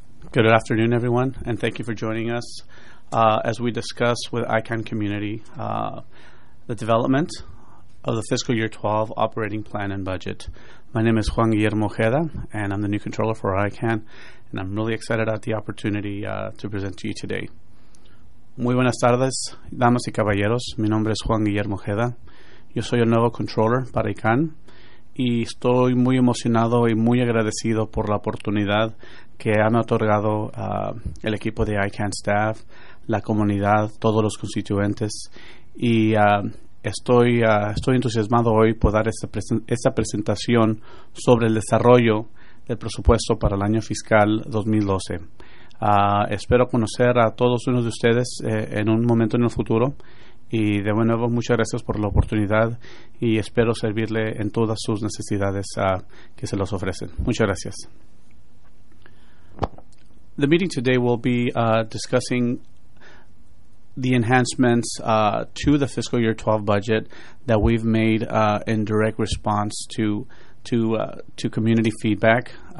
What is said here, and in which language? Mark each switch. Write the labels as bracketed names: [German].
[English] Good afternoon, everyone, and thank you for joining us as we discuss with ICANN community the development of the fiscal year 12 operating plan and budget. My name is Juan Guillermo Ojeda, and I'm the new controller for ICANN, and I'm really excited at the opportunity to present to you today. [Spanish] Muy buenas tardes, damas y caballeros. Mi nombre es Juan Guillermo Ojeda. Yo soy el nuevo controller para ICANN y estoy muy emocionado y muy agradecido por la oportunidad que han otorgado el equipo de ICANN staff, la comunidad, todos los constituyentes. Y estoy entusiasmado hoy por dar esta presentación sobre el desarrollo del presupuesto para el año fiscal 2012. Espero conocer a todos unos de ustedes en un momento en el futuro. Y de nuevo, muchas gracias por la oportunidad y espero servirle en todas sus necesidades que se los ofrecen. Muchas gracias. [English] The meeting today will be discussing the enhancements to the fiscal year 12 budget that we've made in direct response to community feedback.